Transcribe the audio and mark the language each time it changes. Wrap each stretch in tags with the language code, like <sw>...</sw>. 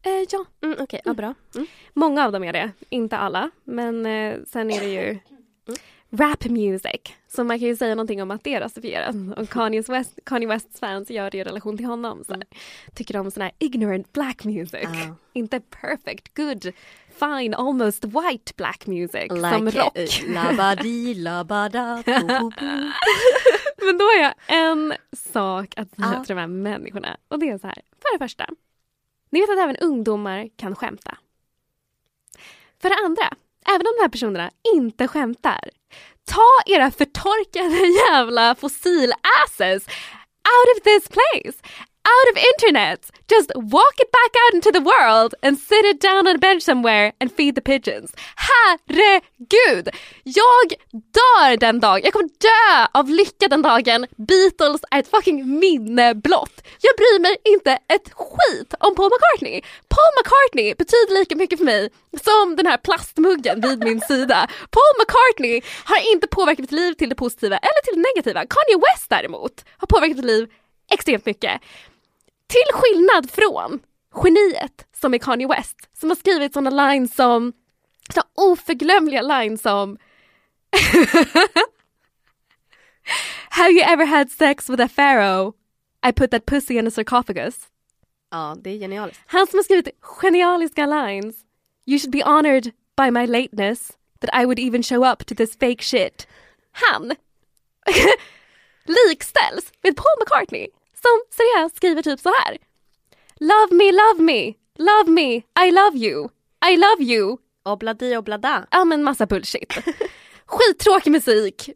<sv>Ja. Mm, okej, okay. Ja, bra. Mm. Många av dem är det, inte alla. Men sen är det ju rap music. Så man kan ju säga någonting om att det är rasifierat. Mm. Och Kanye Wests fans gör det i relation till honom. Så tycker de sån här</sv> <en>ignorant black music.</en> <sv>Inte</sv> <en>perfect, good, fine, almost white black music. Like</en> <sv>som rock. Labadi, labada, men då har jag en sak att säga till de här människorna. Och det är så här, för det första. Ni vet att även ungdomar kan skämta. För det andra, även om de här personerna inte skämtar, ta era förtorkade jävla fossil</sv> <en>asses out of this place, out of internet. Just walk it back out into the world and sit it down on a bench somewhere and feed the pigeons.</en> <sv>Herregud! Jag dör den dagen. Jag kommer dö av lycka den dagen. Beatles är ett fucking minneblott. Jag bryr mig inte ett skit om Paul McCartney. Paul McCartney betyder lika mycket för mig som den här plastmuggen vid min sida. Paul McCartney har inte påverkat mitt liv till det positiva eller till det negativa. Kanye West däremot har påverkat mitt liv extremt mycket. Till skillnad från geniet som är Kanye West, som har skrivit såna lines som, så oförglömliga lines som</sv> <en>have you ever had sex with a pharaoh? I put that pussy in a sarcophagus.</en> <sv>Ja, det är genialiskt. Han som har skrivit genialiska lines.</sv> <en>You should be honored by my lateness that I would even show up to this fake shit.</en> <sv>Han likställs med Paul McCartney. Som seriöst skriver typ så här.</sv> <en>Love me, love me. Love me, I love you. I love you. Obladi, oblada.</en> <sv>Ja, men massa bullshit. Skittråkig musik.</sv>